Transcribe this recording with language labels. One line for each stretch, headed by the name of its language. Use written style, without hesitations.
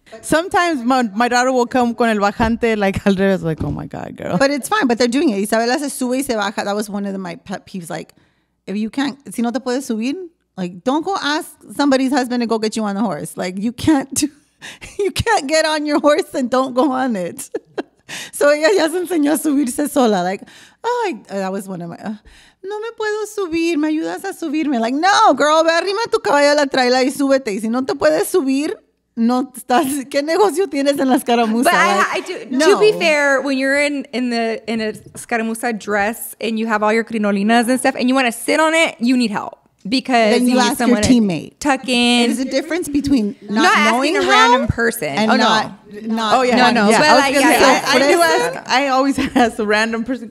English: Sometimes my daughter will come
Spanish: con el bajante,
English: like,
Spanish: al revés,
English: like, oh my God, girl. But it's fine, but they're doing it.
Spanish: Isabela se sube y se baja.
English: That was one of my pet peeves. Like, if you can't,
Spanish: si no te puedes subir.
English: Like, don't go ask somebody's husband to go get you on the horse. Like, you can't get on your horse and don't go on it.
Spanish: So ella ya se enseñó a subirse sola.
English: Like, oh, that was one of my,
Spanish: no me puedo subir, me ayudas a subirme.
English: Like, no, girl,
Spanish: ve arrima tu caballo a la traila y súbete. Y si no te puedes subir, no estás, ¿qué negocio tienes en la escaramuza?
English: But to be fair, when you're in a escaramuza dress and you have all your crinolinas and stuff and you want to sit on it, you need help. Because then you ask your teammate. Tuck in. There's a difference between not knowing a random person. And I always ask a random person.